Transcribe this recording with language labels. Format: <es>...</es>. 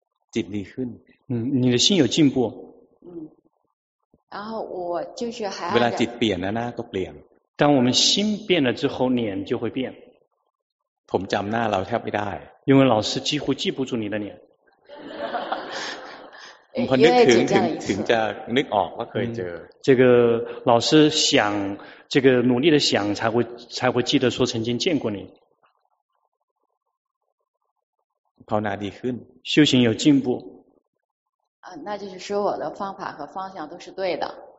<zh>进力很。嗯，你的心有进步。然后我就是还</zh> <th>เวลาจิตเปลี่ยนนะก็เปลี่ยน</th> <zh>当我们心变了之后脸就会变</zh> <th>ผมจำหน้าเราแทบไม่ได้</th> <zh>因为老师几乎记不住你的脸</zh> <th>พอนึกถึงจะนึกออกว่าเคยเจอ</th> <zh>这个老师想这个努力的想才会记得说曾经见过你</zh> <th>ภาวนาดีขึ้น</th> <zh>修行有进步那就是说我的方法和方向都是对的。</zh>